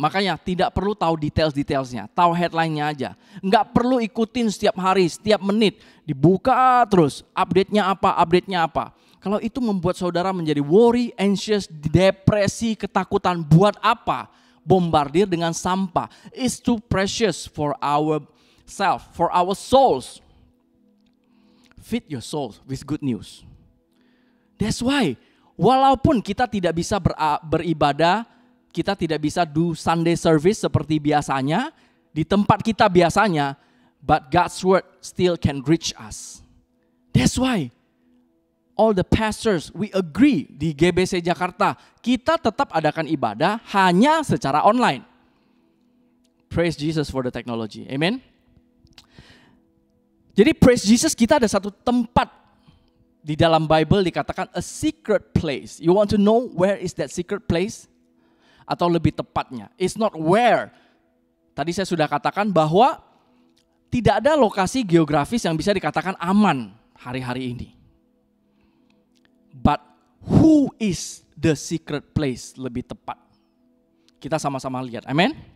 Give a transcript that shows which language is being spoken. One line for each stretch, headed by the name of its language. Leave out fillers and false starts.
Indonesian: Makanya tidak perlu tahu details-detailsnya, tahu headline-nya aja. Enggak perlu ikutin setiap hari, setiap menit, dibuka terus, update-nya apa. Kalau itu membuat saudara menjadi worry, anxious, depresi, ketakutan, buat apa? Bombardir dengan sampah.
English: It's too precious for our self, for our souls. Feed your souls with good news. That's why,
Indonesian: walaupun kita tidak bisa
English: beribadah, kita tidak bisa do Sunday service
Indonesian: seperti biasanya, di tempat kita biasanya,
English: but God's word still can reach us. That's why, all the pastors, we agree
Indonesian: di GBC Jakarta, kita tetap adakan ibadah hanya secara online.
English: Praise Jesus for the technology. Amen.
Indonesian: Jadi
English: praise Jesus,
Indonesian: kita ada satu tempat di dalam Bible dikatakan
English: a secret place. You want to know where is that secret place?
Indonesian: Atau lebih tepatnya,
English: it's not where.
Indonesian: Tadi saya sudah katakan bahwa tidak ada lokasi geografis yang bisa dikatakan aman hari-hari ini.
English: But who is the secret place
Indonesian: lebih tepat? Kita sama-sama lihat, amen.